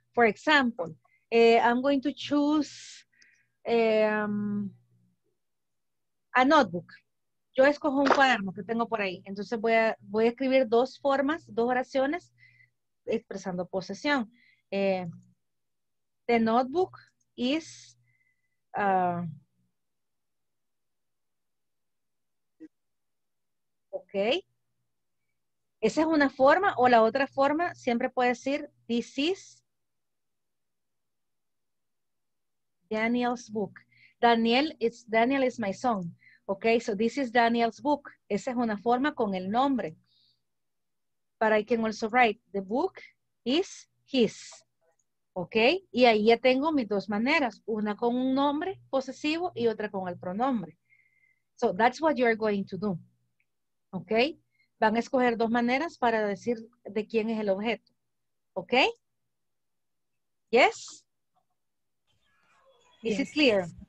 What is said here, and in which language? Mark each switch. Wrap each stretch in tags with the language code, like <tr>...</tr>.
<en>For example, I'm going to choose a notebook.</en> <es>Yo escojo un cuaderno que tengo por ahí. Entonces voy a escribir dos formas, dos oraciones, expresando posesión.</es> <en>The notebook is...</en> <es>ok. Esa es una forma, o la otra forma, siempre puede decir,</es> <en>this is Daniel's book. Daniel is my son. Ok, so this is Daniel's book.</en> <es>Esa es una forma con el nombre.</es> <en>But I can also write, the book is his.</en> <es>Ok, y ahí ya tengo mis dos maneras, una con un nombre posesivo y otra con el pronombre.</es> <en>So that's what you're going to do.</en> <es>Ok, van a escoger dos maneras para decir de quién es el objeto.</es> <en>Ok, yes? Is yes. It clear?</en>